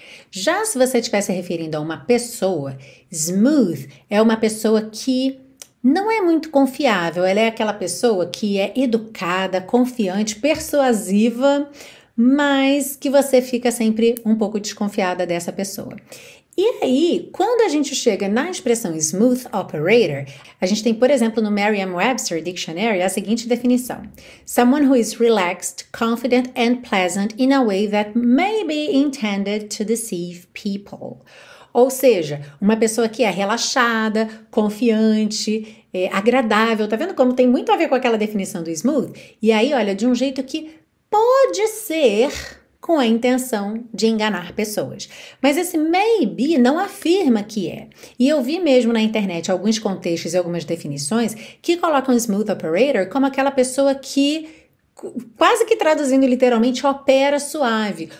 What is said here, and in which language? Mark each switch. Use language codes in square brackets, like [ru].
[pt] Já se você estiver se referindo a uma pessoa, smooth é uma pessoa que não é muito confiável, ela é aquela pessoa que é educada, confiante, persuasiva, mas que você fica sempre um pouco desconfiada dessa pessoa. E aí, quando a gente chega na expressão smooth operator, a gente tem, por exemplo, no Merriam-Webster Dictionary, a seguinte definição. [en] Someone who is relaxed, confident and pleasant in a way that may be intended to deceive people. [pt] Ou seja, uma pessoa que é relaxada, confiante, agradável. Tá vendo como tem muito a ver com aquela definição do smooth? E aí, olha, de um jeito que pode ser com a intenção de enganar pessoas. Mas esse maybe não afirma que é. E eu vi mesmo na internet alguns contextos e algumas definições que colocam smooth operator como aquela pessoa que, quase que traduzindo literalmente, opera suave.